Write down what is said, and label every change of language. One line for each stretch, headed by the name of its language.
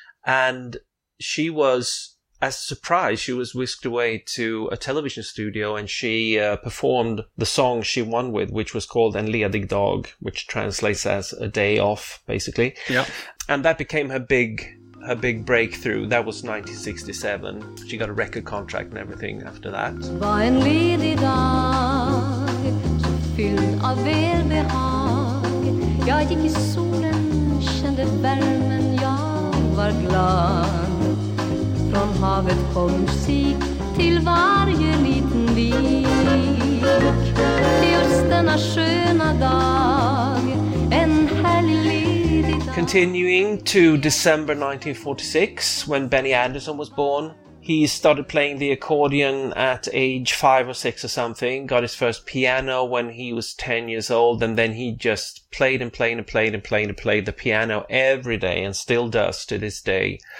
English: And she was, as a surprise, she was whisked away to a television studio and she performed the song she won with, which was called En ledig dag, which translates as a day off, basically. Yeah. And that became her big breakthrough. That was 1967. She got a record contract and everything after that.
Swedish: Var en ledig dag, fylld av välbehag. Jag gick i solen, kände värmen, jag var glad. Från havet kom musik till varje liten vik. Just denna sköna dag, en härlig ledig dag.
English: Continuing to December 1946, when Benny Andersson was born. He started playing the accordion at age 5 or 6 or something, got his first piano when he was 10 years old, and then he just played and played and played and played and played the piano every day, and still does to this day.